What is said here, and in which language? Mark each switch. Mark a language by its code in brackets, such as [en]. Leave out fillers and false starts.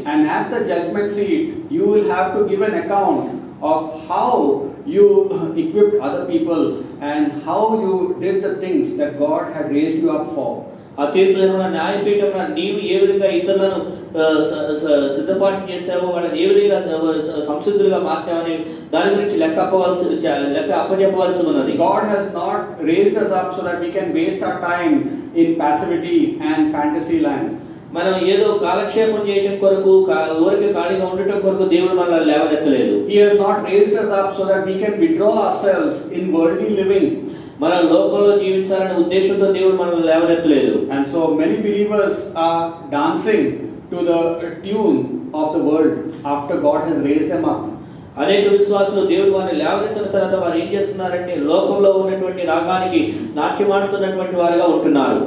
[en] And at the judgement seat you will have to give an account of how you equipped other people and how you did the things that God had raised you up for. [te] ఆ తీర్పులో న్యాయపీఠం నీవు ఏ విధంగా ఇతరులను సిద్ధపాటు చేసావో వాళ్ళని ఏ విధంగా సంసిద్ధులుగా మార్చావని దాని గురించి లెక్క అప్పచెప్పవలసి ఉన్నది. [en] God has not raised us up so that we can waste our time in passivity and fantasy land. [te] మనం ఏదో కాలక్షేపం చేయడం కొరకు ఊరికి ఖాళీగా ఉండటం కొరకు దేవుడు మనల్ని లేవనెత్తలేదు. [en] He has not raised us up so that we can withdraw ourselves in worldly living. [te] మన లోకంలో జీవించాలనే ఉద్దేశంతో దేవుడు మనల్ని లేవనెత్తలేదు. [en] And so many believers are dancing to the tune of the world after God has raised them up. [te] అనేక విశ్వాసులు దేవుడు వారిని లేవనెత్తిన తర్వాత వారు ఏం చేస్తున్నారంటే లోకంలో ఉన్నటువంటి రాగానికి నాట్యమాడుతున్నటువంటి వారుగా ఉంటున్నారు.